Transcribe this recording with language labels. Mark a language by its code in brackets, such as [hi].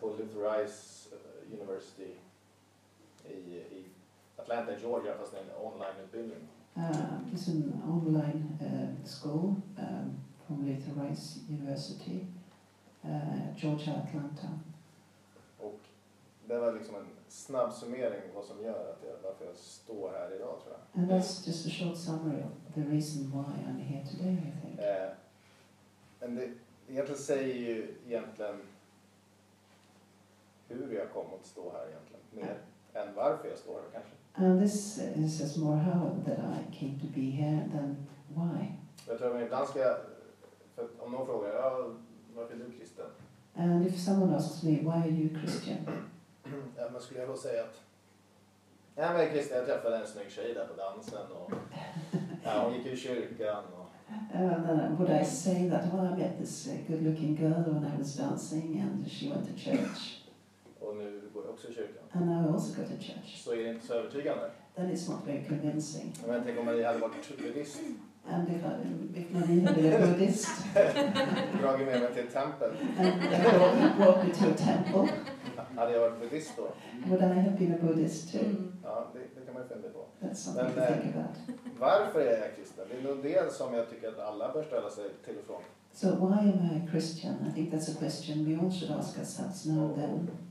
[sv] På Luther Rice University i Atlanta, Georgia, fast en online-utbildning. [en] It's an online school from Luther Rice University, Georgia, Atlanta. [sv] Och det var liksom en snabb summering vad som gör att varför jag står här idag, tror jag. [en] And that's just a short summary of the reason why I'm here today, I think. [sv] Men det egentligen säger ju egentligen hur jag kom att stå här egentligen, mer än varför jag står här kanske. [en] And this is just more how that I came to be here than why. [sv] Jag tror att ibland ska jag, för om någon frågar, ja, varför är du kristen? [en] And if someone asks me, why are you Christian? [sv] Ja, men skulle jag då säga att jag var kristen, jag träffade en snygg tjej där på dansen och ja, hon gick i kyrkan och [en] would I say that, well, I met this good-looking girl when I was dancing and she went to church. [sv] Och nu går jag också i kyrkan. [en] And I also go to church. [sv] Så är det inte så övertygande? [en] Then it's not very convincing. [sv] Men tänk om Maria hade varit buddhist. [en] And if Maria [sv] hade varit buddhist. Dragit med mig till ett tempel. [en] And brought me to a temple. [sv] Hade jag varit buddhist då? [en] Would I have been a buddhist too? [sv] Ja, det kan man ju fundera på. [en] That's something to think about. [sv] Varför är jag kristen? Det är nog det som jag tycker att alla bör ställa sig till och från. [en] So why am I a Christian? I think that's a question we all should ask ourselves now then.